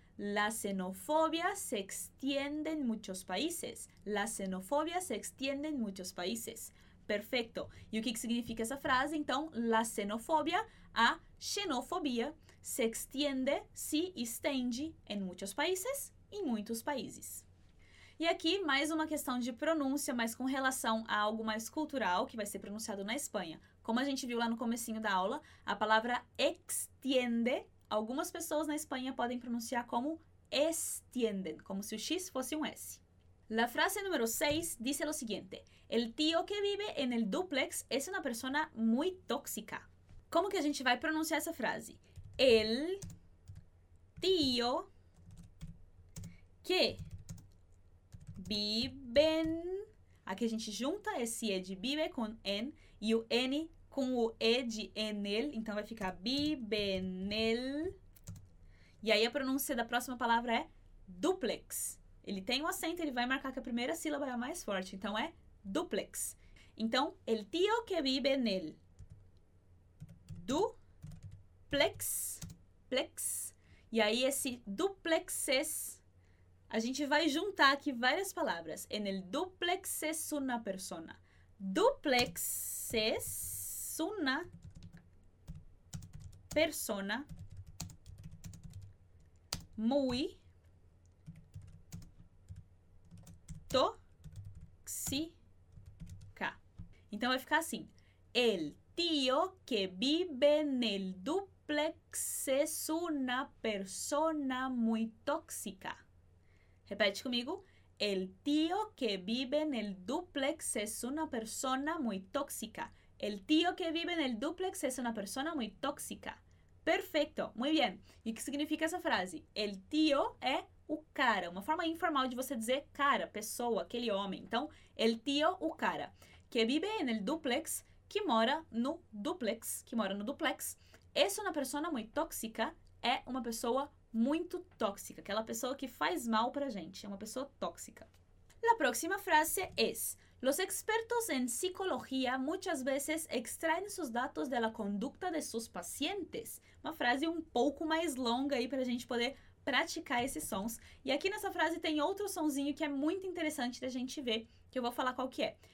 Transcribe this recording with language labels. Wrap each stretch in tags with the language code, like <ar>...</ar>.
<es>La xenofobia se extiende en muchos países. La xenofobia se extiende en muchos países. Perfecto. ¿Y qué significa esa frase?</es> <pt>Então,</pt> <es>la xenofobia,</es> <pt>a xenofobia,</pt> <es>se extiende,</es> <pt>se estende em muitos países, em muitos países. E aqui, mais uma questão de pronúncia, mas com relação a algo mais cultural, que vai ser pronunciado na Espanha. Como a gente viu lá no comecinho da aula, a palavra extiende, algumas pessoas na Espanha podem pronunciar como extienden, como se o X fosse um S.</pt> <es>La frase número 6 dice lo siguiente. El tío que vive en el duplex es una persona muy tóxica.</es> <pt>Como que a gente vai pronunciar essa frase?</pt> <es>El tío que vive...</es> <pt>Aqui a gente junta esse E de vive com en e o N com o E de en el. Então vai ficar</pt> <es>vive en el.</es> <pt>E aí a pronúncia da próxima palavra é duplex. Ele tem um acento, ele vai marcar que a primeira sílaba é a mais forte. Então, é duplex.</pt> <es>Então, el tío que vive en el duplex. Plex.</es> <pt>E aí, esse duplexes, a gente vai juntar aqui várias palavras.</pt> <es>En el duplexes una persona. Duplexes una persona muy tóxica.</es> <pt>Então vai ficar assim.</pt> <es>El tío que vive en el duplex es una persona muy tóxica.</es> <pt>Repete comigo.</pt> <es>El tío que vive en el duplex es una persona muy tóxica. El tío que vive en el duplex es una persona muy tóxica. Perfecto. Muy bien.</es> <pt>E o que significa essa frase?</pt> <es>El tío</es> <pt>é o cara, uma forma informal de você dizer cara, pessoa, aquele homem. Então,</pt> <es>el tío,</es> <pt>o cara,</pt> <es>que vive en el duplex,</es> <pt>que mora no duplex, que mora no duplex. Essa é uma pessoa muito tóxica, é uma pessoa muito tóxica, aquela pessoa que faz mal pra gente, é uma pessoa tóxica.</pt> <es>La próxima frase es: los expertos en psicología muchas veces extraen sus datos de la conducta de sus pacientes.</es> <pt>Uma frase um pouco mais longa aí pra gente poder praticar esses sons. E aqui nessa frase tem outro sonzinho que é muito interessante da gente ver, que eu vou falar qual que é.</pt>